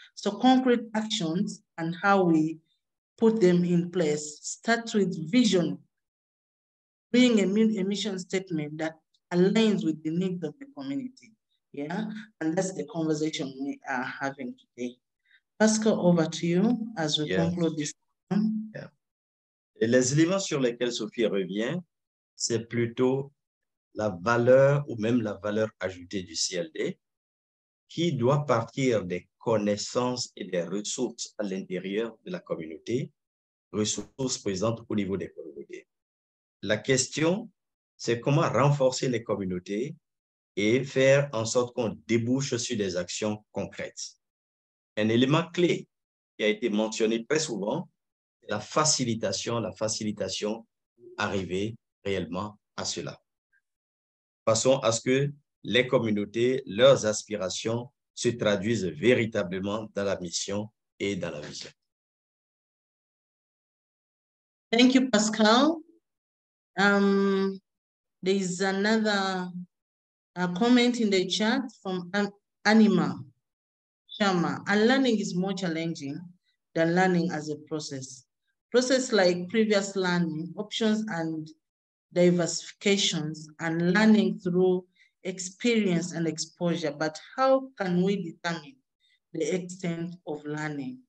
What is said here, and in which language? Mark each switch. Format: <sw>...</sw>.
<en>So concrete actions and how we put them in place starts with vision, being a mission statement that aligns with the needs of the community. Yeah, and that's the conversation we are having today. Pascal, over to you as we conclude this. Yeah.</en> <fr>Et les éléments sur lesquels Sophie revient, c'est plutôt la valeur ou même la valeur ajoutée du CLD qui doit partir des connaissances et des ressources à l'intérieur de la communauté, ressources présentes au niveau des communautés. La question, c'est comment renforcer les communautés et faire en sorte qu'on débouche sur des actions concrètes. Un élément clé qui a été mentionné très souvent, c'est la facilitation pour arriver réellement à cela. Passons à ce que les communautés, leurs aspirations se traduisent véritablement dans la mission et dans la vision.</fr> <en>Thank you, Pascal. There is another comment in the chat from Anima Sharma. Unlearning is more challenging than learning as a process. Process like previous learning, options and diversifications, and learning through experience and exposure, but how can we determine the extent of learning?</en>